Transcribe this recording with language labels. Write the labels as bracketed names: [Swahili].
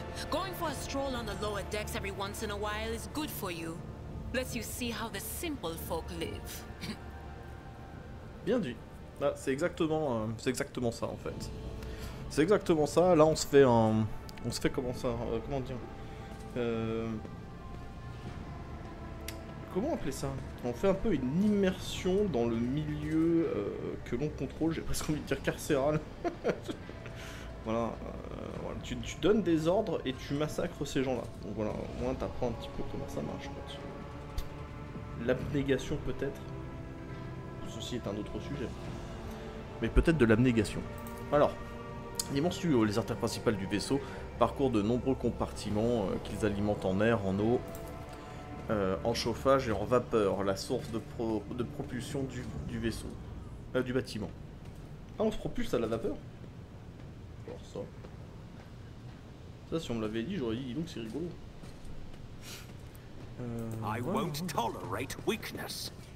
[English] Going for a stroll on the lower decks every once in a while is good for you. Let you see how the simple folk live. [French] Bien dit. Ah, c'est exactement ça en fait. C'est exactement ça. Là, on se fait un. On se fait comment ça comment dire Comment appeler ça? On fait un peu une immersion dans le milieu que l'on contrôle. J'ai presque envie de dire carcéral. Voilà. Voilà. Tu donnes des ordres et tu massacres ces gens-là. Donc voilà, au moins t'apprends un petit peu comment ça marche. L'abnégation peut-être. Ceci est un autre sujet. Mais peut-être de l'abnégation. Alors, l'immense tuyau, les artères principales du vaisseau, parcourent de nombreux compartiments qu'ils alimentent en air, en eau, en chauffage et en vapeur, la source de propulsion du vaisseau, du bâtiment. Ah, on se propulse à la vapeur? Genre ça. Ça, si on me l'avait dit, j'aurais dit, donc c'est rigolo. [English] I won't tolerate weakness.